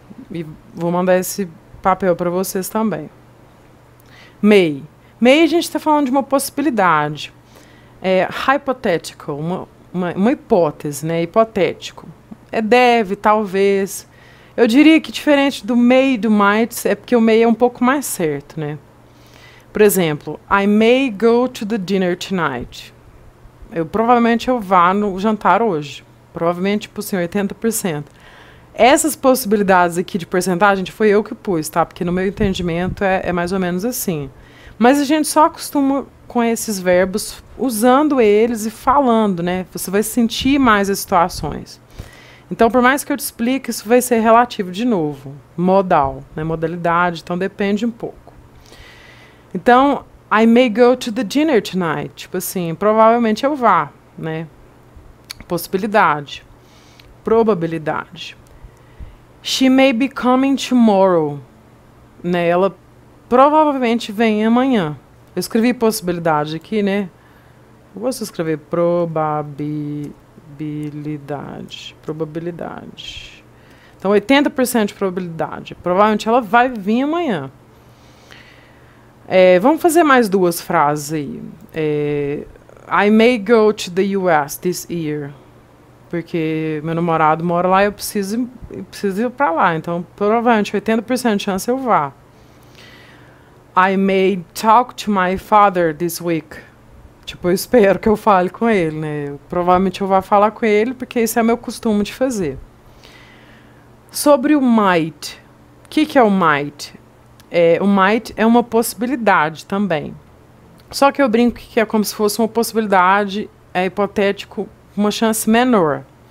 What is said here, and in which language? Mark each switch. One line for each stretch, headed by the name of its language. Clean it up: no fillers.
Portuguese: E vou mandar esse papel para vocês também. MEI. MEI a gente está falando de uma possibilidade. É hypothetical, uma hipótese, né? Hipotético. É deve, talvez. Eu diria que diferente do MEI e do MIGHT, é porque o MEI é um pouco mais certo, né? Por exemplo,
English: I may go to the dinner tonight.
Portuguese: Provavelmente eu vá no jantar hoje. Provavelmente, tipo assim, 80%. Essas possibilidades aqui de porcentagem foi eu que pus, tá? Porque no meu entendimento é mais ou menos assim. Mas a gente só acostuma com esses verbos usando eles e falando, né? Você vai sentir mais as situações. Então, por mais que eu te explique, isso vai ser relativo de novo. Modal, né? Modalidade. Então, depende um pouco.
English: Então, I may go to the dinner tonight.
Portuguese: Tipo assim, provavelmente eu vá, né? Possibilidade.
English: Probabilidade. She may be coming tomorrow. Né?
Portuguese: Ela provavelmente vem amanhã. Eu escrevi possibilidade aqui, né? Eu vou escrever probabilidade. Probabilidade. Então, 80% de probabilidade. Provavelmente ela vai vir amanhã. Vamos fazer mais duas frases aí.
English: I may go to the US this year.
Portuguese: Porque meu namorado mora lá e eu preciso ir para lá. Então, provavelmente 80% de chance eu vá.
English: I may talk to my father this week.
Portuguese: Tipo, eu espero que eu fale com ele, né? Provavelmente eu vá falar com ele porque esse é meu costume de fazer. Sobre o might. O que é o might? O might é uma possibilidade também. Só que eu brinco que é como se fosse uma possibilidade, é hipotético, uma chance menor.